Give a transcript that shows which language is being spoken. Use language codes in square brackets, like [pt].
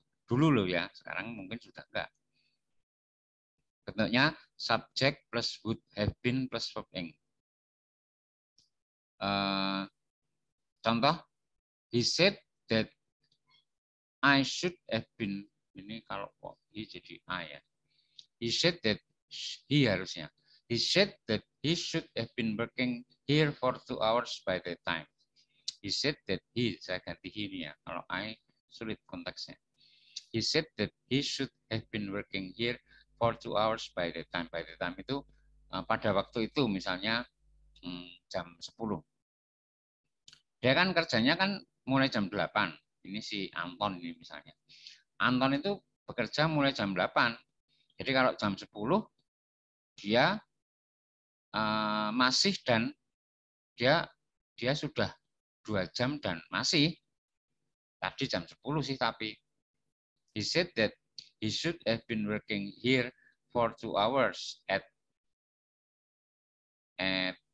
[id] Dulu loh ya, sekarang mungkin sudah enggak. Bentuknya [en] subject plus would have been plus verbing. [id] Contoh, [en] he said that I should have been, [id] ini kalau kok he jadi I ya. [en] He said that he [id] harusnya. [en] He said that he should have been working here for 2 hours by the time. He said that he, [id] saya ganti he ini ya, kalau I sulit konteksnya. [en] He said that he should have been working here for 2 hours by the time. By the time [id] itu pada waktu itu misalnya jam 10. Dia kan kerjanya kan mulai jam 8. Ini si Anton ini misalnya. Anton itu bekerja mulai jam 8. Jadi kalau jam 10 dia masih dan dia sudah 2 jam dan masih. Tadi jam 10 sih tapi. [en] He said that he should have been working here for 2 hours at 10.